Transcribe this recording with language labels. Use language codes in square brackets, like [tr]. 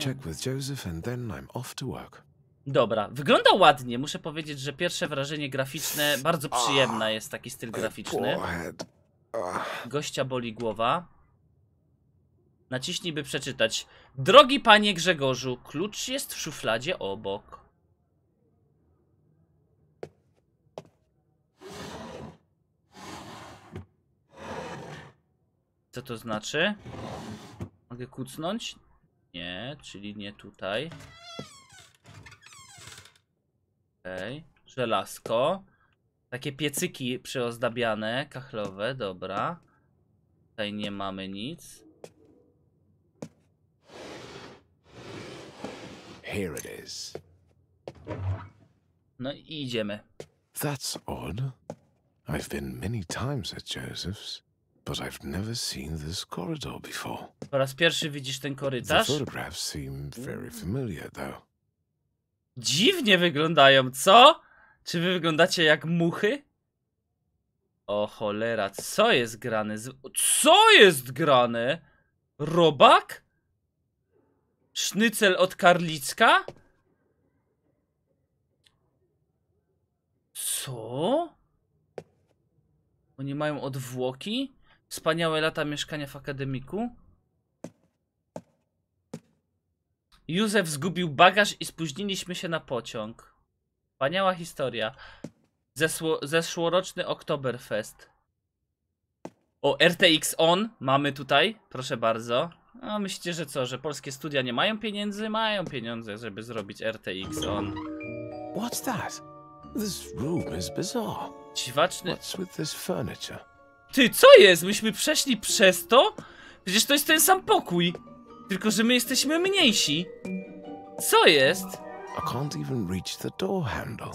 [en] Check with Joseph and then I'm off to work. [pl] Dobra, wygląda ładnie. Muszę powiedzieć, że pierwsze wrażenie graficzne bardzo przyjemne jest taki styl graficzny. Gościa boli głowa. Naciśnij, by przeczytać. Drogi panie Grzegorzu, klucz jest w szufladzie obok. Co to znaczy? Mogę kucnąć? Nie, czyli nie tutaj. Okej, okay. Żelazko. Takie piecyki przyozdabiane, kachlowe, dobra. Tutaj nie mamy nic. [en] Here it is. [pl] No i idziemy. [en] That's odd. I've been many times at Joseph's. But I've never seen this corridor before. [pl] Po raz pierwszy widzisz ten korytarz? [en] The photographs seem very familiar, though. [pl] Dziwnie wyglądają, co? Czy wy wyglądacie jak muchy? O cholera, co jest grane? Co jest grane? Robak? Sznycel od Karlicka? Co? Oni mają odwłoki? Wspaniałe lata mieszkania w akademiku. Józef zgubił bagaż i spóźniliśmy się na pociąg. Wspaniała historia. Zeszłoroczny Oktoberfest. O, RTX On mamy tutaj. Proszę bardzo. No, myślicie, że co, że polskie studia nie mają pieniędzy? Mają pieniądze, żeby zrobić RTX On. [en] What's that? This room is bizarre. [pl] Dziwaczny. [en] What's with this furniture? [pl] Ty, co jest? Myśmy przeszli przez to? Przecież to jest ten sam pokój. Tylko że my jesteśmy mniejsi. Co jest? [en] I can't even reach the door handle.